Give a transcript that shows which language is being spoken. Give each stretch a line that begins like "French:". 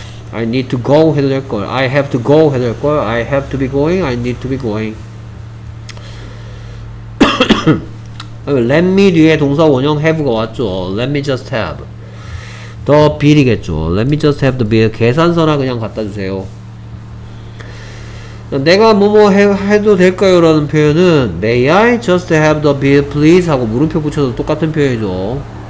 English: I need to go
Korean: 해도 될 걸.
English: I have to go 해도 될 걸. I have to be going. I need to be going. Let me
Korean: 뒤에 동사 원형
English: have가 왔죠. Let me just have the bill이겠죠. Let me just have the bill.
Korean: 계산서나 그냥 갖다 주세요. 내가 뭐뭐 해도 될까요? 라는 표현은
English: May I just have the bill please?
Korean: 하고 물음표 붙여도 똑같은 표현이죠.